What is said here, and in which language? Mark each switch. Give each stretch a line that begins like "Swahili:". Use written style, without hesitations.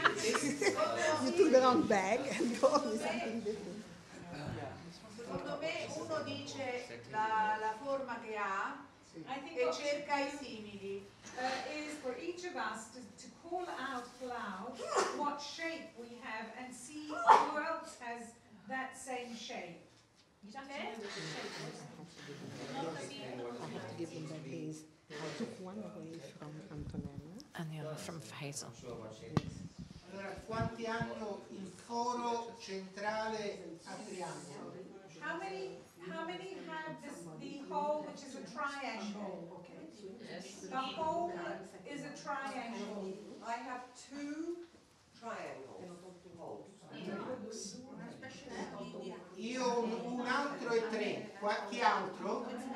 English: You took the wrong bag and got me something different.
Italian: Secondo me uno dice la forma che ha e cerca I simili.
English: Is for each of us to call out loud what shape we have and see who else has that same shape. I took one away from Antonella and the other from Hazel.
Italian: Allora, quanti hanno il foro centrale a triangolo?
English: How many have the hole which is a triangle? Okay. Yes. The hole is a triangle. I have two triangles.
Italian: Io un altro e tre. Chi altro?